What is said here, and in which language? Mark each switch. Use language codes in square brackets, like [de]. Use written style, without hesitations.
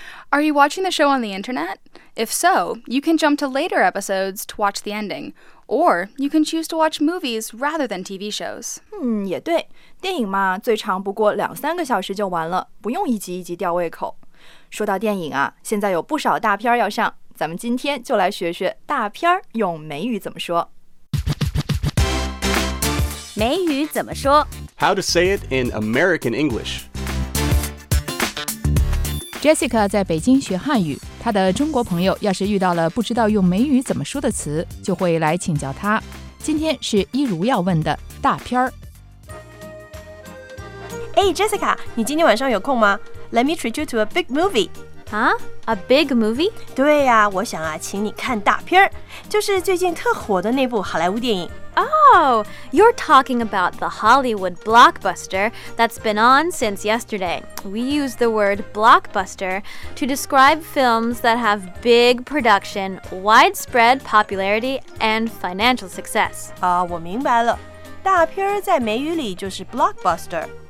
[en] Are you watching the show on the internet? If so, you can jump to later episodes to watch the ending, or you can choose to watch movies rather than TV shows. [zh] 也对，电影嘛，最长不过两三个小时就完了，不用一集一集吊胃口。说到电影啊，现在有不少大片要上，咱们今天就来学学大片用美语怎么说。美语怎么说 [en] ？How to say it in American English? [zh] Jessica 在北京学汉语，她的中国朋友要是遇到了不知道用美语怎么说的词，就会来请教她。今天是一如要问的大片。 Hey Jessica， 你今天晚上有空吗？ [en] Let me treat you to a big movie. A big movie? [zh] 对呀、啊，我想啊，请你看大片儿，就是最近特火的那部好莱坞电影。 [en] You're talking about the Hollywood blockbuster that's been on since yesterday. We use the word blockbuster to describe films that have big production, widespread popularity, and financial success. [zh] 我明白了，大片儿在美语里就是 blockbuster.